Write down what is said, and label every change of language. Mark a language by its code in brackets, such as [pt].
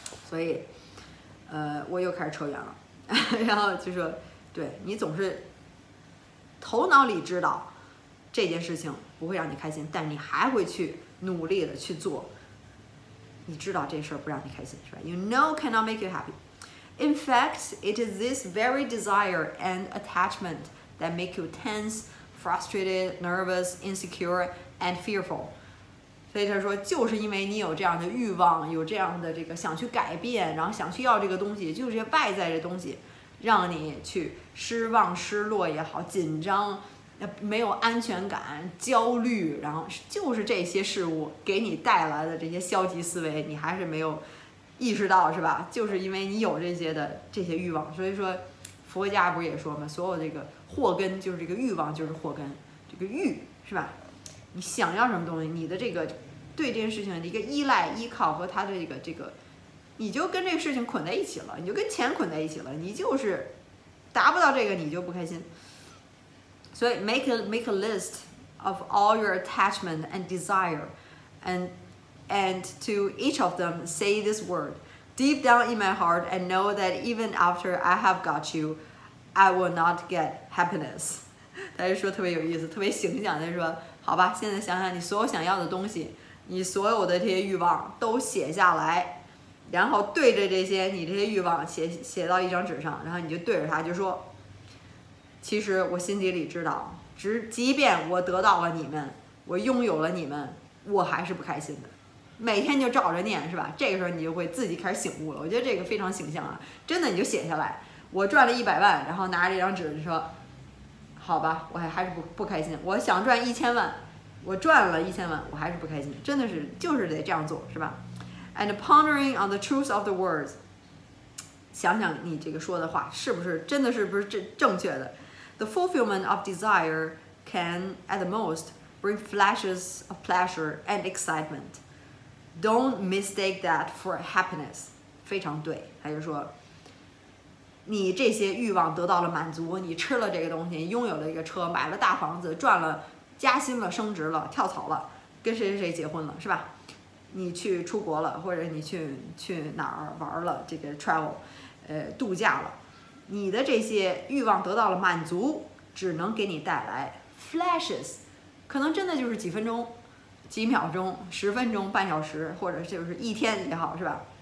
[zh] 所以我又开始扯远了。然后就说，对，你总是头脑里知道这件事情不会让你开心，但你还会去努力的去做。你知道这事不让你开心，是吧？ [en] You know cannot make you happy. In fact, it is this very desire and attachment that make you tense, frustrated, nervous, insecure, and fearful. [zh] 所以他说，就是因为你有这样的欲望，有这样的这个想去改变，然后想去要这个东西，就是外在的东西，让你去失望、失落也好，紧张、没有安全感、焦虑，然后就是这些事物给你带来的这些消极思维，你还是没有意识到，是吧？就是因为你有这些欲望，所以说佛家不是也说吗？所有这个祸根就是这个欲望，就是祸根，这个欲，是吧？你想要什么东西，你的这个对这件事情的一个依赖、依靠和它的这个。你就跟这个事情捆在一起了，你就跟钱捆在一起了，你就是达不到这个你就不开心。所以 [en] make a list of all your attachment and desire and to each of them say this word deep down in my heart and know that even after I have got you I will not get happiness. [zh] 他就说特别有意思，特别形象，他说好吧，现在想想你所有想要的东西，你所有的这些欲望都写下来，然后对着这些你这些欲望写到一张纸上，然后你就对着它就说，其实我心底里知道，即便我得到了你们，我拥有了你们，我还是不开心的。每天就照着念，是吧？这个时候你就会自己开始醒悟了。我觉得这个非常形象啊，真的，你就写下来，我赚了100万，然后拿着这张纸就说，好吧，我还是不开心。我想赚1000万，我赚了1000万，我还是不开心。真的是就是得这样做，是吧？ [en] And pondering on the truth of the words, [zh] 想想你这个说的话是不是真的是不是正确的？ [en] The fulfillment of desire can, at the most, bring flashes of pleasure and excitement. Don't mistake that for happiness. [zh] 非常对，他就说，你这些欲望得到了满足，你吃了这个东西，拥有了一个车，买了大房子，赚了，加薪了，升职了，跳槽了，跟谁谁谁结婚了，是吧？你去出国了，或者你去哪儿玩了，这个 travel， 度假了，你的这些欲望得到了满足，只能给你带来 flashes， 可能真的就是几分钟、几秒钟、十分钟、半小时，或者就是一天也好，是吧？